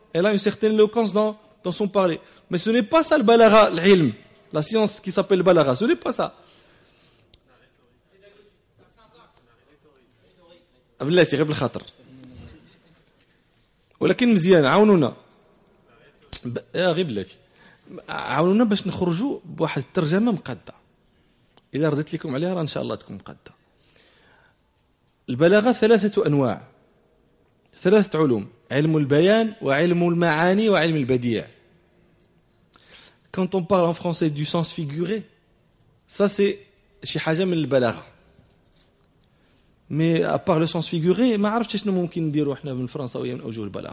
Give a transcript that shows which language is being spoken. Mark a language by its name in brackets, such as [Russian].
[French] Elle a une certaine éloquence dans son parler. Mais ce n'est pas ça le balagha, l'ilm, la science qui s'appelle balagha. Ce n'est pas ça. [Arabic] بلاتي غير بالخاطر ولكن مزيان عاونونا يا غير بلاتي عاونونا باش نخرجوا بواحد الترجمه مقاده. الا رديت لكم عليها راه ان شاء الله تكون مقاده. البلاغه ثلاثه انواع، ثلاثه علوم: علم البيان وعلم المعاني وعلم البديع. [French] quand on parle en français du sens figuré ça c'est [Arabic] شي حاجه من البلاغه. [French] Mais à part le sens figuré, je ne sais pas ce qu'on peut dire en France ou en Algérie.